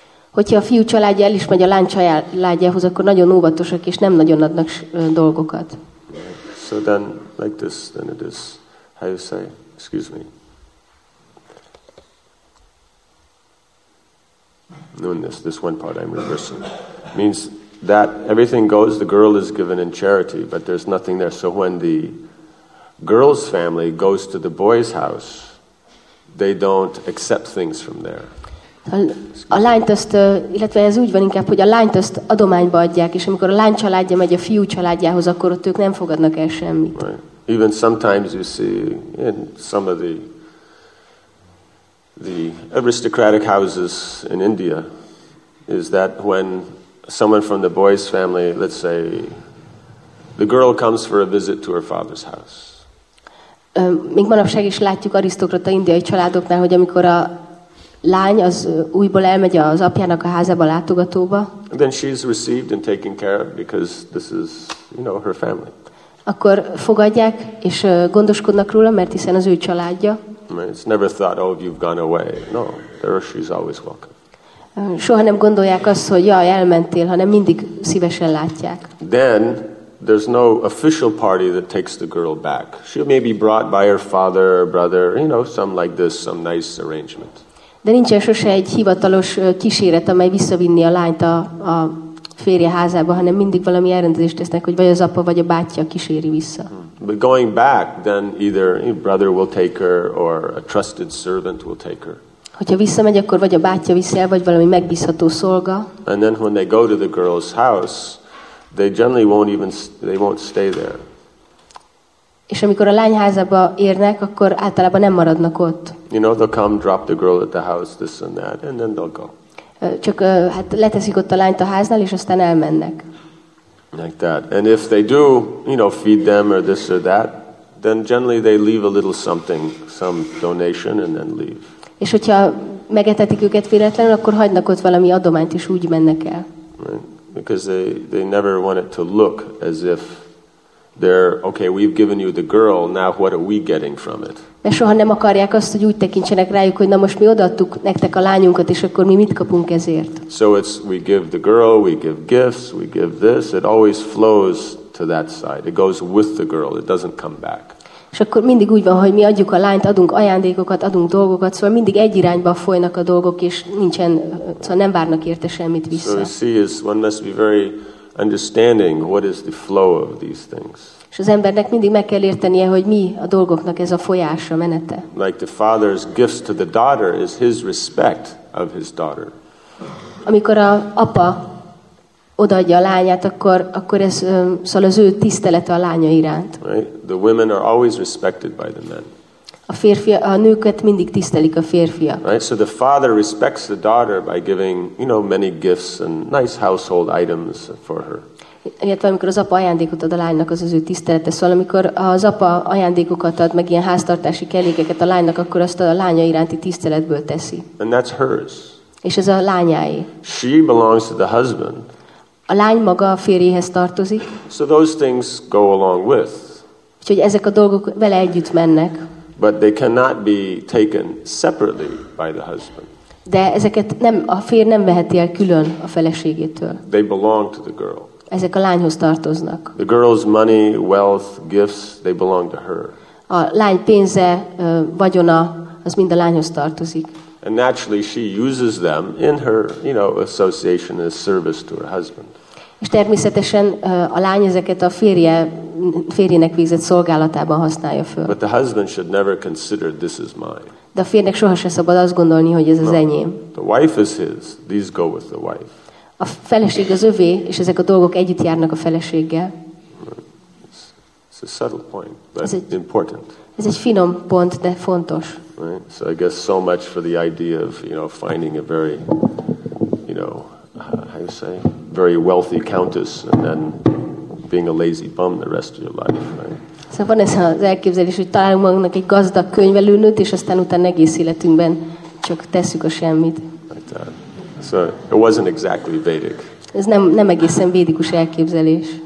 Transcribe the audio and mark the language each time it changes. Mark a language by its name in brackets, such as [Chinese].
[Hungarian] Hogyha a fiú családja el is megy a lány családjához, akkor nagyon óvatosak és nem nagyon adnak dolgokat. [English] So then, like this, then it is, how you say, excuse me. Doing this one part I'm reversing. Means that everything goes, the girl is given in charity, but there's nothing there. So when the girl's family goes to the boy's house, they don't accept things from there. [Hungarian] A lányt azt, illetve ez úgy van inkább, hogy a lányt azt adományba adják, és amikor a lány családja megy a fiú családjához, akkor ott ők nem fogadnak el semmit. [English] Right. Even sometimes you see in some of the aristocratic houses in India is that when someone from the boy's family, let's say, the girl comes for a visit to her father's house. [Hungarian] Még manapság is látjuk arisztokrata indiai családoknál, hogy amikor a lány az újból elmegy az apjának a házába látogatóba. [English] Then she's received and taken care of because this is, you know, her family. [Hungarian] Akkor fogadják és gondoskodnak róla, mert hiszen az ő családja. [English] It's never thought, oh, you've gone away. No, there she's always welcome. [Hungarian] Soha nem gondolják azt, hogy jaj, elmentél, hanem mindig szívesen látják. [English] Then there's no official party that takes the girl back. She may be brought by her father or brother, you know, some like this, some nice arrangement. [Hungarian] De nincsen sose egy hivatalos kíséret, amely visszavinni a lányt a férje házába, hanem mindig valami elrendezést tesznek, hogy vagy az apa, vagy a bátyja kíséri vissza. [English] But going back, then either a brother will take her, or a trusted servant will take her. [Hungarian] Hogyha visszamegy, akkor vagy a bátyja viszi el, vagy valami megbízható szolga. [English] And then when they go to the girl's house, they generally won't stay there. [Hungarian] És amikor a lány házába érnek, akkor általában nem maradnak ott. [English] You know, they'll come, drop the girl at the house, this and that, and then they'll go. [Hungarian] Csak hát leteszik ott a lányt a háznál, és aztán elmennek. [English] Like that. And if they do, you know, feed them or this or that, then generally they leave a little something, some donation, and then leave. [Hungarian] És hogyha megetetik őket véletlenül, akkor hagynak ott valami adományt, és úgy mennek el. [English] Right. Because they never want it to look as if they're, okay, we've given you the girl, now what are we getting from it? [Hungarian] Mert soha nem akarják azt, hogy úgy tekintsenek rájuk, hogy na most mi odaadtuk nektek a lányunkat, és akkor mi mit kapunk ezért? [English] So it's, we give the girl, we give gifts, we give this, it always flows to that side. It goes with the girl, it doesn't come back. [Hungarian] És akkor mindig úgy van, hogy mi adjuk a lányt, adunk ajándékokat, adunk dolgokat, szóval mindig egy irányba folynak a dolgok, és nincsen, szóval nem várnak érte semmit vissza. [English] So you see, one must be very understanding what is the flow of these things. [Hungarian] És az embernek mindig meg kell értenie, hogy mi a dolgoknak ez a folyása, menete. [English] Like the father's gifts to the daughter is his respect of his daughter. [Hungarian] Amikor a apa odaadja a lányát, akkor ez szóval az ő tisztelete a lánya iránt. [English] Right? The women are always respected by the men. [Hungarian] A nőket mindig tisztelik a férfiak. [English] Right? So the father respects the daughter by giving, you know, many gifts and nice household items for her. [Hungarian] Illetve amikor az apa ajándékot ad a lánynak, az ő tisztelete. Szóval amikor az apa ajándékokat ad, meg ilyen háztartási kellékeket a lánynak, akkor azt a lánya iránti tiszteletből teszi. [English] And that's hers. [Hungarian] És ez a lányáé. [English] She belongs to the husband. [Hungarian] A lány maga a férjéhez tartozik. [English] So those things go along with. [Hungarian] Úgyhogy ezek a dolgok vele együtt mennek. [English] But they cannot be taken separately by the husband. [Hungarian] De ezeket nem, a férj nem veheti el külön a feleségétől. [English] They belong to the girl. [Hungarian] Ezek a lányhoz tartoznak. [English] The girl's money, wealth, gifts, they belong to her. [Hungarian] A lány pénze, vagyona, az mind a lányhoz tartozik. [English] And naturally she uses them in her, you know, association as service to her husband. [Hungarian] És természetesen a lány ezeket a férjének végzett szolgálatában használja föl. [English] But the husband should never consider this is mine. [Hungarian] De a férjnek soha se szabad azt gondolni, hogy ez az enyém. [English] The wife is his. These go with the wife. [Hungarian] A feleség az övé, és ezek a dolgok együtt járnak a feleséggel. [English] It's a subtle point, but [Hungarian] ez egy, [English] important. [Hungarian] Ez egy finom pont, de fontos. [English] Right? So I guess so much for the idea of, you know, finding a very, you know, how you say, very wealthy countess and then being a lazy bum the rest of your life. Right? [Hungarian] Szóval van ez az elképzelés, hogy találunk magunknak egy gazdag könyvelőnőt, és aztán utána egész életünkben csak tesszük a semmit. [English] So it wasn't exactly Vedic. [Hungarian] Ez nem egészen védikus elképzelés.